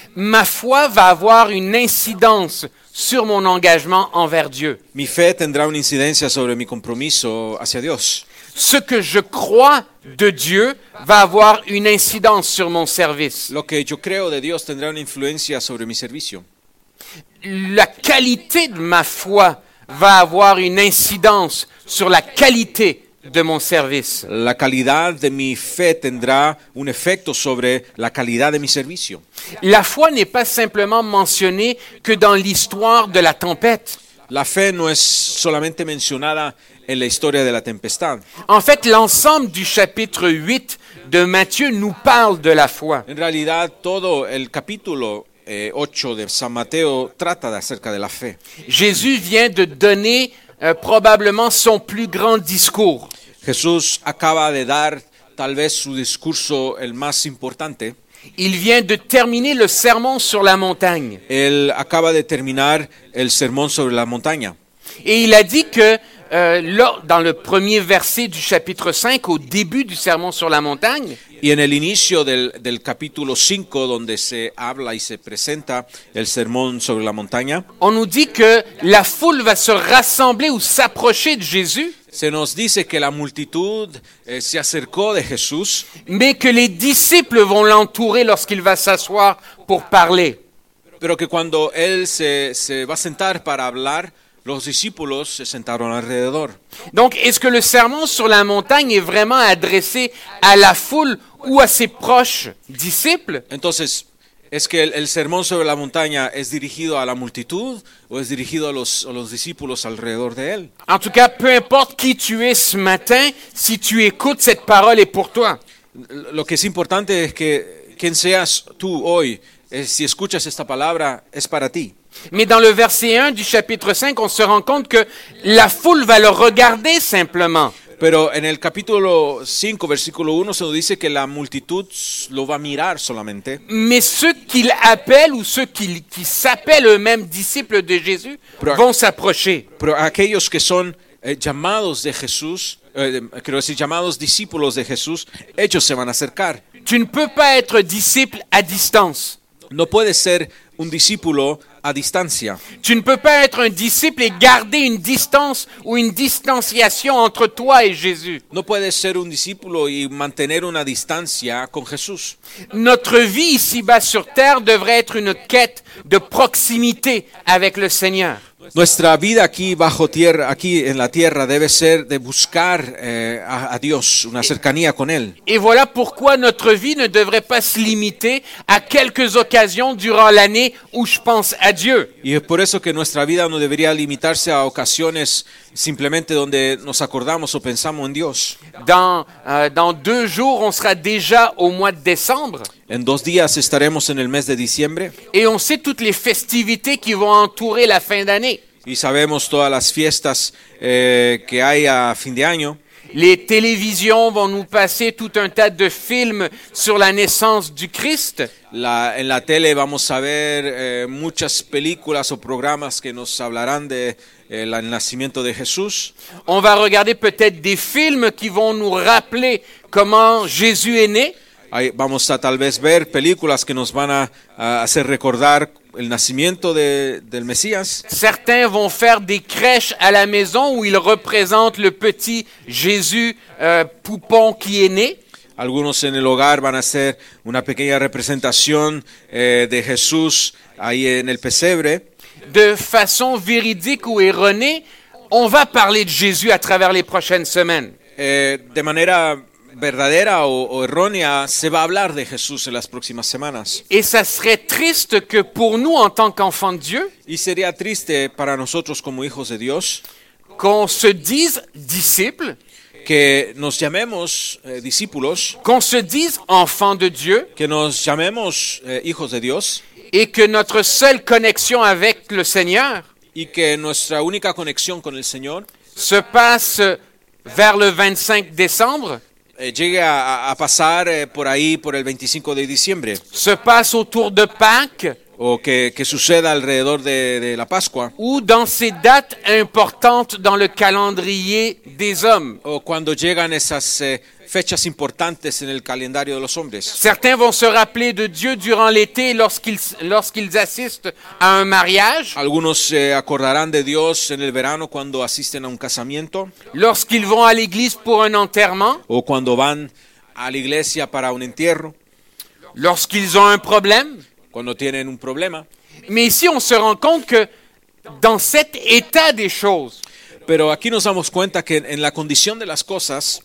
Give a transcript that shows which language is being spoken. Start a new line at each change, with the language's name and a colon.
French: Ma foi va avoir une incidence sur mon engagement envers Dieu.
Spanish: Mi fe tendrá una incidencia sobre mi compromiso hacia Dios.
French: Ce que je crois de Dieu va avoir une incidence sur mon service.
Spanish: Lo que yo creo de Dios tendrá una influencia sobre mi servicio.
French: La qualité de ma foi va avoir une incidence sur la qualité de mon service.
Spanish: La calidad de mi fe tendrá un efecto sobre la calidad de mi servicio.
French: La foi n'est pas simplement mentionnée que dans l'histoire de la tempête.
Spanish: La fe no es solamente mencionada en la historia de la tempestad.
French: En fait, l'ensemble du chapitre 8 de Matthieu nous parle de la foi.
Spanish: En realidad, todo el capítulo 8 de San Mateo trata acerca de la fe.
French: Jésus vient de donner probablement son plus grand discours.
Spanish: Jesús acaba de dar tal vez su discurso el más importante.
French: Il vient de terminer le sermon sur la montagne.
Spanish: Él acaba de terminar el sermón sobre la montaña.
French: Et il a dit que dans le premier verset du chapitre 5, au début du sermon sur la montagne.
Spanish: Y en el inicio del capítulo 5, donde se habla y se presenta el sermón sobre la montaña.
French: On nous dit que la foule va se rassembler ou s'approcher de Jésus.
Spanish: Se nos dice que la multitud se acercó de Jesús.
French: Mais que les disciples vont l'entourer lorsqu'il va s'asseoir pour parler.
Spanish: Pero que cuando él se va a sentar para hablar. Los discípulos se sentaron alrededor.
French: Donc, est-ce que le sermon sur la montagne est vraiment adressé à la foule ou à ses proches disciples?
Spanish: Entonces, ¿es que el sermón sobre la montaña es dirigido a la multitud o es dirigido a los discípulos alrededor de él?
French: En tout cas, peu importe qui tu es ce matin, si tu écoutes cette parole est pour toi.
Spanish: Lo que es importante es que quien seas tú hoy, si escuchas esta palabra, es para ti.
French: Mais dans le verset 1 du chapitre 5, on se rend compte que la foule va le regarder simplement.
Spanish: Pero en el capítulo 5, versículo 1, se nos dice que la multitud lo va a mirar solamente.
French: Mais ceux qu'il appelle ou ceux qui s'appellent eux-mêmes disciples de Jésus vont s'approcher.
Spanish: Pero aquellos que son llamados de Jesús, quiero decir, llamados discípulos de Jesús, ellos se van a acercar.
French: Tu ne peux pas être disciple à distance.
Spanish: No puedes ser un discípulo a distancia.
French: Tu ne peux pas être un disciple et garder une distance ou une distanciation entre toi et Jésus.
Spanish: No puedes ser un discípulo y mantener una distancia con Jesús.
French: Notre vie ici-bas sur terre devrait être une quête de proximité avec le Seigneur.
Spanish: Nuestra vida aquí bajo tierra, aquí en la tierra, debe ser de buscar a Dios, una cercanía con Él.
French: Et voilà pourquoi notre vie ne devrait pas se limiter à quelques occasions durant l'année où je pense à Dieu.
Spanish: Y es por eso que nuestra vida no debería limitarse a ocasiones simplemente donde nos acordamos o pensamos en Dios.
French: Dans deux jours, on sera déjà au mois de décembre.
Spanish: En dos días estaremos en el mes de diciembre.
French: Et on sait toutes les festivités qui vont entourer la fin d'année.
Spanish: Y sabemos todas las fiestas que hay a fin de año.
French: Les télévisions vont nous passer tout un tas de films sur la naissance du Christ.
Spanish: En la tele vamos a ver muchas películas o programas que nos hablarán de el nacimiento de Jesús.
French: On va regarder peut-être des films qui vont nous rappeler comment Jésus est né.
Spanish: Vamos a tal vez ver películas que nos van a hacer recordar el nacimiento del Mesías.
French: Certains vont faire des crèches à la maison où ils représentent le petit Jésus poupon qui est né.
Spanish: Algunos en el hogar van a hacer una pequeña representación de Jesús ahí en el pesebre.
French: De façon véridique ou erronée, on va parler de Jésus à travers les prochaines semaines.
Spanish: De manera verdadera o errónea, se va a hablar de Jesús en las próximas semanas.
French: Et ça serait triste que pour nous en tant qu'enfants de Dieu,
Spanish: y sería triste para nosotros como hijos de Dios,
French: qu'on se dise disciple,
Spanish: que nos llamemos discípulos,
French: qu'on se dise enfants de Dieu,
Spanish: que nos llamemos hijos de Dios,
French: et que notre seule connexion avec le Seigneur,
Spanish: y que nuestra única conexión con el Señor,
French: se passe vers le 25 décembre.
Spanish: Llegue a pasar por ahí por el 25 de diciembre.
French: Se passe autour de Pâques.
Spanish: O que suceda alrededor de la Pascua.
French: Ou dans ces dates importantes dans le calendrier des hommes.
Spanish: O cuando llegan esas fechas importantes en el calendario de los hombres.
French: Certains vont se rappeler de Dieu durant l'été lorsqu'ils assistent à un mariage.
Spanish: Algunos se acordarán de Dios en el verano cuando asisten a un casamiento.
French: Lorsqu'ils vont à l'église pour un enterrement.
Spanish: O cuando van a la iglesia para un entierro.
French: Lorsqu'ils ont un problème.
Spanish: Cuando tienen un problema.
French: Mais ici on se rend compte que dans cet état des choses.
Spanish: Pero aquí nos damos cuenta que en la condición de las cosas,